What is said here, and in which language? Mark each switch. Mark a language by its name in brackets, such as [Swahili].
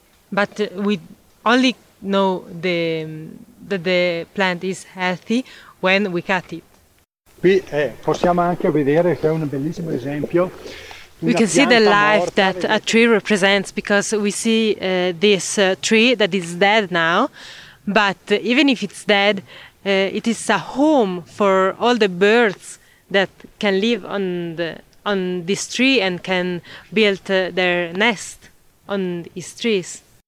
[English] But we only know that the plant is healthy when we cut it. [Italian] Qui possiamo anche vedere, c'è un bellissimo esempio. [English] We can see the life that a tree represents, because we see this tree that is dead now, but even if it's dead, it is a home for all the birds that can live on this tree and can build their nest on these trees.